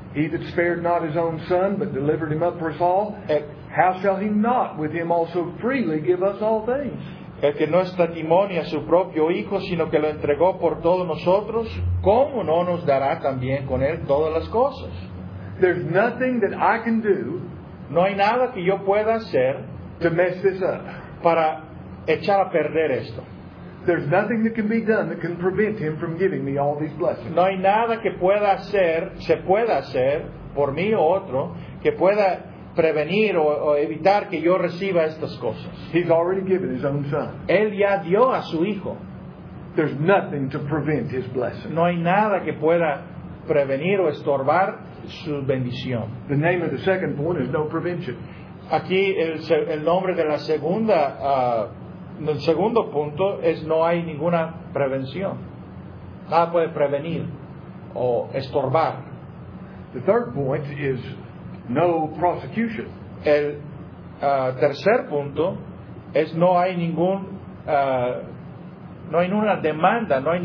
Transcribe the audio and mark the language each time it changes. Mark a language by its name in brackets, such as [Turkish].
[English] He that spared not his own son, but delivered him up for us all, how shall he not with him also freely give us all things? [Spanish] El que no escatimó ni a su propio Hijo, sino que lo entregó por todos nosotros, ¿cómo no nos dará también con Él todas las cosas? [English] There's nothing that I can do. [Spanish] No hay nada que yo pueda hacer [English] to mess this up. [Spanish] Para echar a perder esto. [English] There's nothing that can be done that can prevent Him from giving me all these blessings. [Spanish] No hay nada que se pueda hacer por mí o otro que pueda prevenir o evitar que yo reciba estas cosas. [English] He's already given His own Son. [Spanish] Él ya dio a su Hijo. [English] There's nothing to prevent His blessing. [Spanish] No hay nada que pueda prevenir o estorbar su bendición. [English] The name of the second point is no prevention. [Spanish] Aquí el nombre de la segunda del segundo punto es no hay ninguna prevención. Nada puede prevenir o estorbar. [English] The third point is no prosecution. [Spanish] El tercer punto es no hay ninguna demanda.